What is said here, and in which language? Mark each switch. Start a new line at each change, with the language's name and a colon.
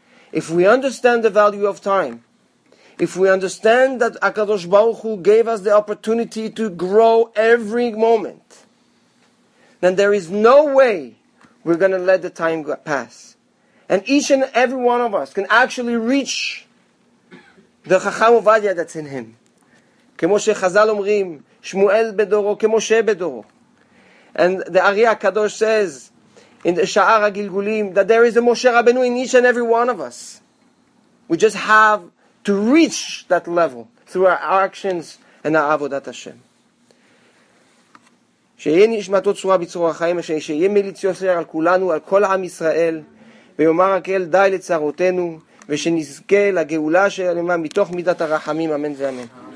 English: If we understand the value of time, if we understand that HaKadosh Baruch Hu gave us the opportunity to grow every moment, then there is no way we're going to let the time pass. And each and every one of us can actually reach the Chacham Ovadia that's in him.
Hebrew: כמו שחזל אומרים, שמואל בדורו, כמו שבדורו.
English: And the Ari HaKadosh says, in the Sha'ar HaGilgulim, that there is a Moshe Rabbeinu in each and every one of us. We just have to reach that level through our actions and our Avodat Hashem.
Hebrew: שיהיה נשמתו צרורה בצרור החיים, שיהיה מליץ יוסר על כולנו, על כל עם ישראל, ויאמר הקהל די לצערותינו, ושנזכה לגאולה שלמה מתוך מידת הרחמים, אמן ואמן.